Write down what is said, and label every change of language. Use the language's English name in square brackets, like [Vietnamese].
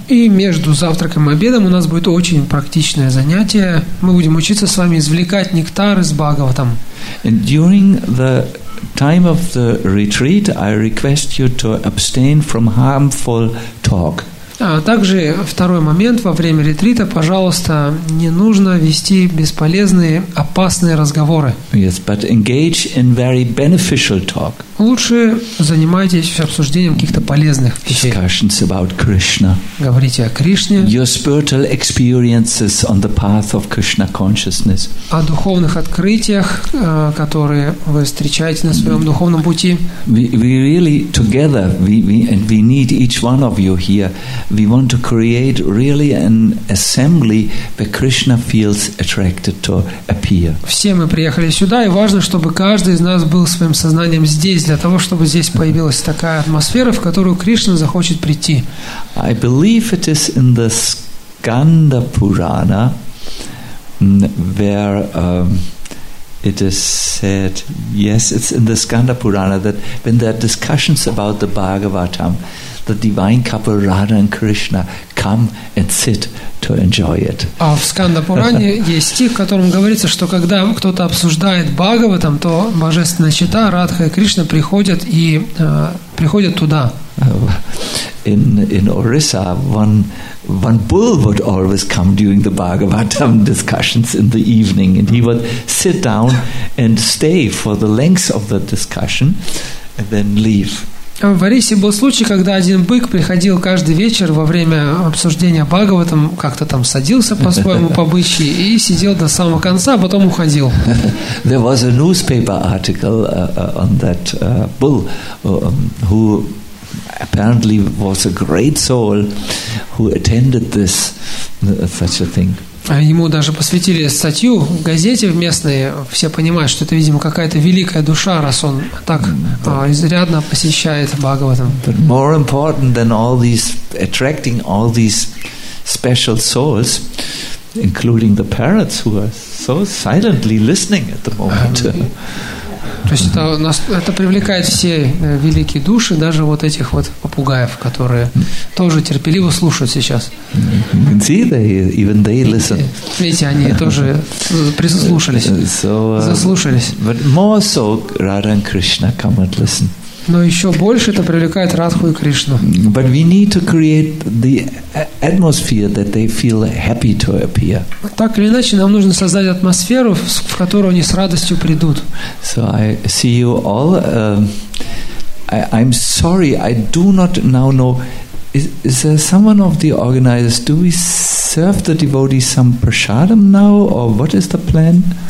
[Russian] И между завтраком и обедом у нас будет очень практичное занятие. Мы будем учиться с вами извлекать нектар из Бхагаватам. [English] And during the time of the retreat, I request you to abstain from harmful talk. [Russian] А также второй момент, во время ретрита, пожалуйста, не нужно вести бесполезные, опасные разговоры. [English] Yes, but engage in very beneficial talk. [Russian] Лучше занимайтесь обсуждением каких-то полезных вещей. [English] Discussions about Krishna. [Russian] Говорите о Кришне. [English] Your spiritual experiences on the path of Krishna consciousness. [Russian] О духовных открытиях, которые вы встречаете на своем духовном пути. [English] We need each one of you here. We want to create really an assembly where Krishna feels attracted to appear. [Russian] Все мы приехали сюда, и важно, чтобы каждый из нас был своим сознанием здесь, для того, чтобы здесь появилась такая атмосфера, в которую Кришна захочет прийти. [English] I believe it is in the Skanda Purana where it is said, yes, it's in the Skanda Purana that when there are discussions about the Bhagavatam, the divine couple Radha and Krishna come and sit to enjoy it. [Russian] А в Сканда Пуране есть стих, в котором говорится, что когда кто-то обсуждает Бхагаватам, то божественная чита Радха и Кришна приходят и приходят туда. [English] In Orissa, one bull would always come during the Bhagavatam discussions in the evening, and he would sit down and stay for the length of the discussion, and then leave. [Russian] В Орисе был случай, когда один бык приходил каждый вечер во время обсуждения Бхагаватам, как-то там садился по-своему по бычьи и сидел до самого конца, а потом уходил. [English] There was a newspaper article on that bull who apparently was a great soul who attended this such a thing. [Russian] Ему даже посвятили статью в газете в местной. Все понимают, что это, видимо, какая-то великая душа, раз он так изрядно посещает Бхагаватам. [English] But more important than all these attracting all these special souls, including the parents who are so silently listening at the moment. [Russian] То есть это, нас, это привлекает все великие души, даже вот этих вот попугаев, которые тоже терпеливо слушают сейчас. [English] See, they listen. [Russian] Видите, они тоже прислушались, заслушались. [English] More so, Radha and Krishna come and listen. [Russian] Но еще больше это привлекает Радху и Кришну. [English] But we need to create the atmosphere that they feel happy to appear. [Russian] Так или иначе, нам нужно создать атмосферу, в которую они с радостью придут. [English] So I see you all. I'm sorry, I do not now know. Is there someone of the organizers? Do we serve the devotees some prasadam now, or what is the plan?